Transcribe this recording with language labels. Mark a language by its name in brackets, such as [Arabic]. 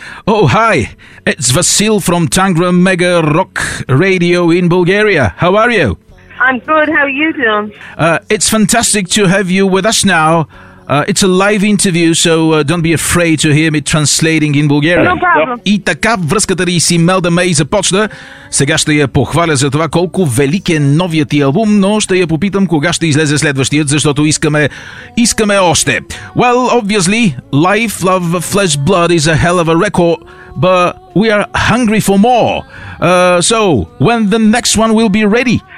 [English] Oh, hi. It's Vasil from Tangra Mega Rock Radio in Bulgaria. How are you? I'm good. How are you doing? It's fantastic to have you with us now. It's a live interview, so don't be afraid to hear me translating in Bulgarian. No problem. [Bulgarian] И така връзката ни с Имелда Мей започна. Сега ще я похваля за това колко велик е новият ти албум, но ще я попитам кога ще излезе следващият, защото искаме още. [English] Well, obviously, Life, Love, Flesh, Blood is a hell of a record, but we are hungry for more. So, when the next one will be ready?